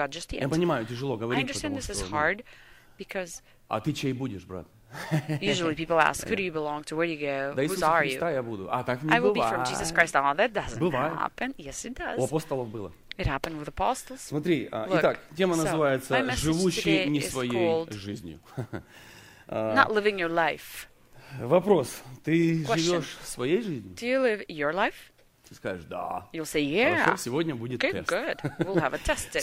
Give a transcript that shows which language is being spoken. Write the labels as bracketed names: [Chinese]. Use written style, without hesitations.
[Russian] Я понимаю, тяжело говорить, потому что... А ты чей будешь, брат? [English] Usually people ask, who do you belong to? Where do you go? Whose are you? I will be from Jesus Christ. Oh, that doesn't happen. Yes, it does. [Russian] У апостолов было. [English] It happened with apostles. [Russian] Смотри, итак, тема называется «Живущий не своей жизнью». [English] Not living your life. [Russian] Вопрос. Ты живешь своей жизнью? [English] Do you live your life? [Russian] Ты скажешь «да». [English] You'll say «yeah». [Russian] Хорошо, сегодня будет [English] okay, Okay, good. We'll have a test today.